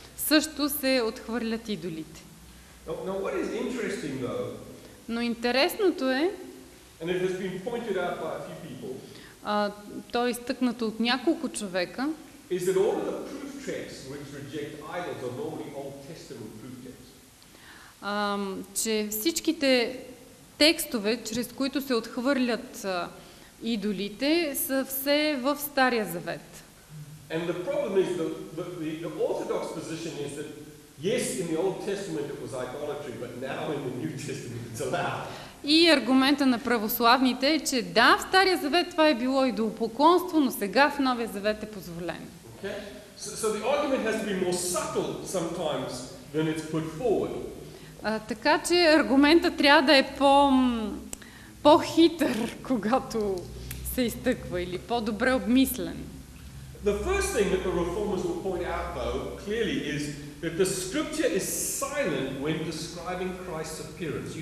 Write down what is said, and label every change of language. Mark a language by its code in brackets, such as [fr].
[bg] Също се отхвърлят идолите. [en] Now, what is interesting, though, [bg] но интересното е, [en] and it has been pointed out by a few people, [bg] то е изтъкнато от няколко човека, [en] is that all the proof texts which reject idols are normally Old Testament proof texts. [bg] Че всичките текстове, чрез които се отхвърлят идолите, са все в Стария Завет. [en] And the problem is the orthodox position is that Yes, in the Old Testament it was idolatry, but now in the New Testament it's allowed. [bg] И аргумента на православните е, че да, в Стария Завет това е било идолопоклонство, но сега в Новия Завет е позволено. [en] Okay. So the argument has to be more subtle sometimes than it's put forward. [bg] Така че аргументът трябва да е по-хитър, когато се изтъква, или по-добре обмислен. [en] The first thing that the reformers will point out though clearly is that the scripture is silent when describing Christ's appearance.